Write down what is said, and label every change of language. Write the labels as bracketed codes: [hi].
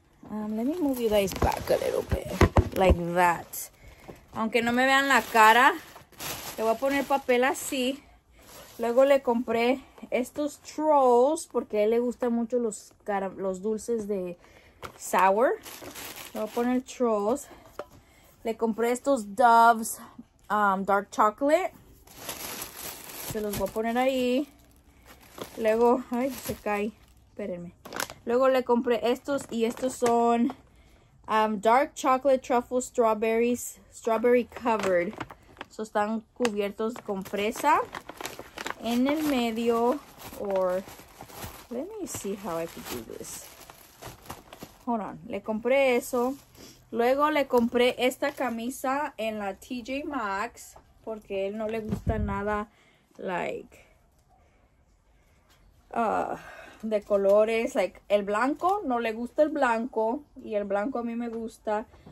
[en] Let me move you guys back a little bit. Like that. [es] Aunque no me vean la cara, le voy a poner papel así. Luego le compré estos trolls porque a él le gustan mucho los dulces de sour. Le voy a poner trolls. Le compré estos Doves dark chocolate. Se los voy a poner ahí. Luego, ay, se cae. Espérenme. Luego le compré estos y estos son [en] dark chocolate truffle strawberries, strawberry covered. [es] So están cubiertos con fresa en el medio. [en] Or let me see how I could do this. Hold on. [es] Le compré eso. Luego le compré esta camisa en la TJ Maxx porque a él no le gusta nada like de colores, like el blanco, no le gusta el blanco y el blanco a mí me gusta.